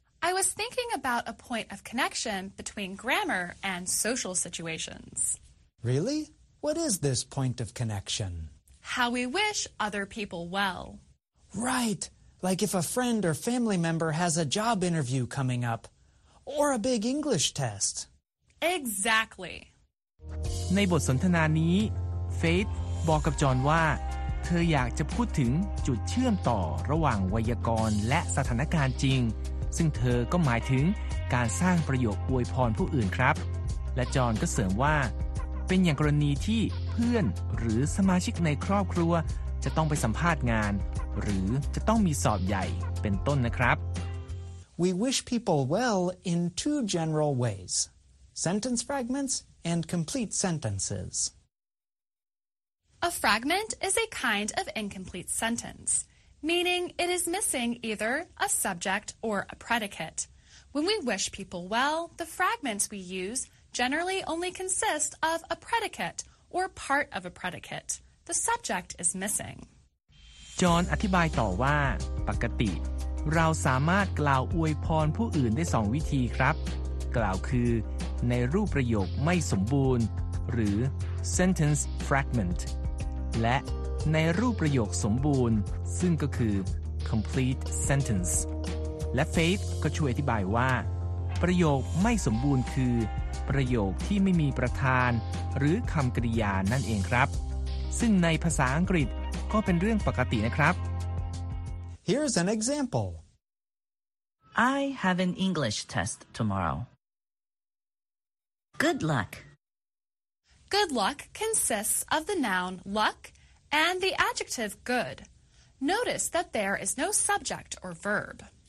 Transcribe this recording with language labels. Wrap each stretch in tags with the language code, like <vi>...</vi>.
<en>I was thinking about a point of connection between grammar and social situations. Really? What is this point of connection? How we wish other people well. Right. Like if a friend or family member has a job interview coming up, or a big English test. Exactly.</en> <th>ในบทสนทนานี้ Faith บอกกับ John ว่าเธออยากจะพูดถึงจุดเชื่อมต่อระหว่างไวยากรณ์และสถานการณ์จริงซึ่งเธอก็หมายถึงการสร้างประโยคอวยพรผู้อื่นครับและจอห์นก็เสริมว่าเป็นอย่างกรณีที่เพื่อนหรือสมาชิกในครอบครัวจะต้องไปสัมภาษณ์งานหรือจะต้องมีสอบใหญ่เป็นต้นนะครับ</th> <en>We wish people well in two general ways sentence fragments and complete sentences A fragment is a kind of incomplete sentence, meaning it is missing either a subject or a predicate. When we wish people well, the fragments we use generally only consist of a predicate or part of a predicate. The subject is missing.</en> <th>John อธิบายต่อว่าปกติเราสามารถกล่าวอวยพรผู้อื่นได้2วิธีครับกล่าวคือในรูปประโยคไม่สมบูรณ์หรือ sentence fragmentและในรูปประโยคสมบูรณ์ซึ่งก็คือ complete sentence และ Faith ก็ช่วยอธิบายว่าประโยคไม่สมบูรณ์คือประโยคที่ไม่มีประธานหรือคำกริยานั่นเองครับซึ่งในภาษาอังกฤษก็เป็นเรื่องปกตินะครับ</th> <en>Here's an example I have an English test tomorrow Good luck Good luck consists of the noun luck and the adjective good. Notice that there is no subject or verb.</en>